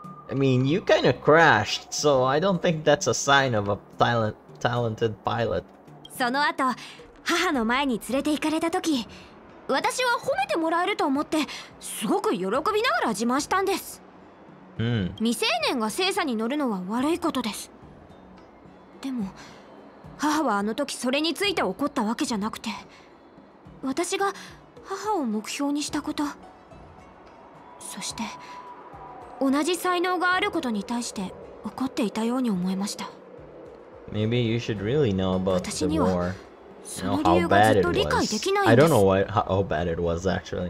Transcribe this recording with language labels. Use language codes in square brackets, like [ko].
[en] I mean, you kind of crashed, so I don't think that's a sign of a talented pilot. [ja] その後、母の前に連れて行かれた時、私は褒めてもらえると思って、すごく喜びながら自慢したんです。未成年が精査に乗るのは悪いことです。でも、母はあの時それについて怒ったわけじゃなくて、私が母を目標にしたこと、そして 同じ才能があることに対して怒っていたように思えました。 [en] Maybe you should really know about the war. Know how bad it was. I don't know how bad it was actually.